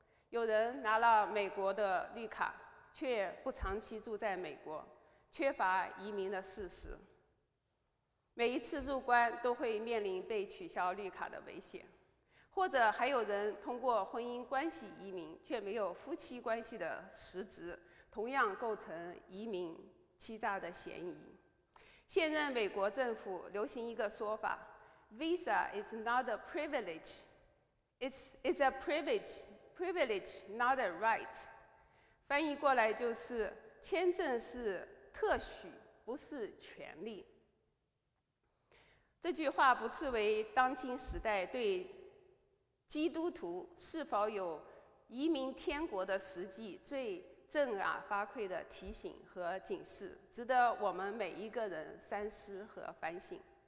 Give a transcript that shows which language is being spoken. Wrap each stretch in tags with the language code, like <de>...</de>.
<zh>有人拿了美国的绿卡，却不长期住在美国，缺乏移民的事实。每一次入关都会面临被取消绿卡的危险，或者还有人通过婚姻关系移民，却没有夫妻关系的实质，同样构成移民欺诈的嫌疑。现任美国政府流行一个说法 ，</zh> <en>Visa is not a privilege, it's a privilege, privilege not a right。</en> <zh>翻译过来就是，签证是特许，不是权利。这句话不次为当今时代对基督徒是否有移民天国的实际最振耳发聩的提醒和警示，值得我们每一个人三思和反省。</zh>